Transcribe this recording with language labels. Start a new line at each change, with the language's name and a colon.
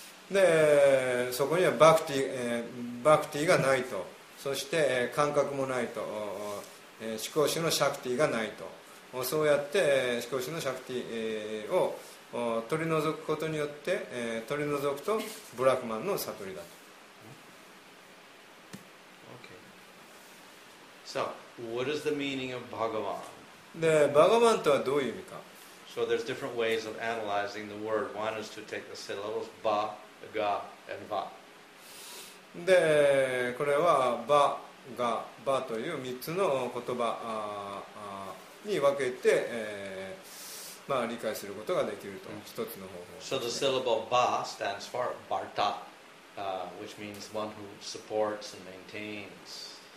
Japanese: で、そこにはバクティがないと、そして感覚もないと、思考主のシャクティがないと、そうやって思考主のシャクティを取り除くことによって取り除くとブラフマンの悟りだと。
English: So, what is the meaning of Bhagavan?
Japanese: で、バガヴァンとはどういう意味か。
English: So there's different ways of analyzing the word. One is to take the syllables ba, ga, and va.
Japanese: で、これはバ、ガ、バという三つの言葉に分けて、まあ、理解することができると、一つの方法。
English: So the syllable ba stands for barta, which means one who supports and maintains.